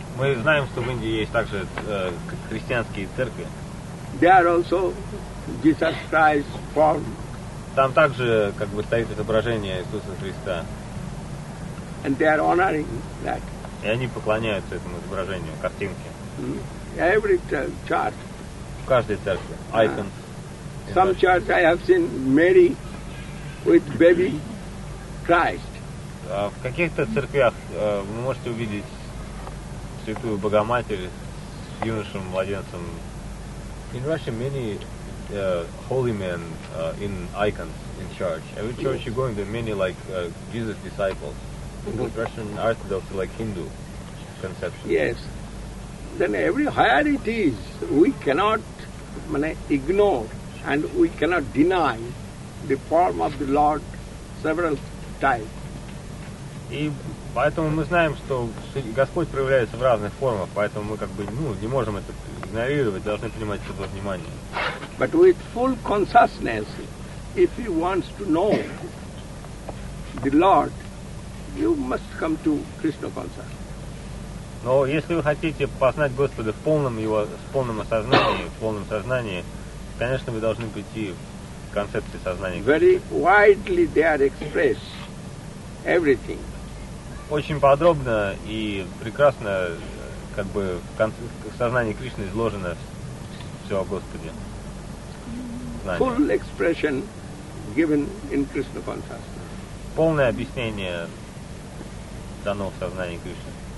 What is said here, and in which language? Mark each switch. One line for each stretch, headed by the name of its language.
Russian: Мы знаем, что в Индии есть также христианские церкви.
English: There also Jesus Christ form.
Russian: Там также как бы стоит изображение Иисуса Христа.
English: And they are honoring that.
Russian: И они поклоняются этому изображению, картинке.
English: Every church.
Russian: В каждой церкви. Icons.
English: Some church I have seen Mary with baby Christ.
Russian: В каких-то церквях вы можете увидеть Святую Богоматерь с юношем, младенцем.
English: In Russia, many holy men in icons in church. Every church you go in, there are many like Jesus disciples. In the Russian Orthodox, like Hindu conception. Yes. Then every higher it is, we cannot ignore and we cannot deny the form of the Lord several times.
Russian: И поэтому мы знаем, что Господь проявляется в разных формах, поэтому мы не можем это игнорировать, должны принимать это внимание.
English: But with full consciousness, if you want to know the Lord, you must come to Krishna consciousness.
Russian: Но если вы хотите познать Господа в полном его, в полном осознании, в полном сознании, конечно, вы должны прийти в концепции сознания.
English: Very widely they are expressed everything.
Russian: Очень подробно и прекрасно, как бы в сознании Кришны изложено все о Господе. Знание.
English: Full expression given in Krishna consciousness.
Russian: Полное объяснение дано в сознании Кришны.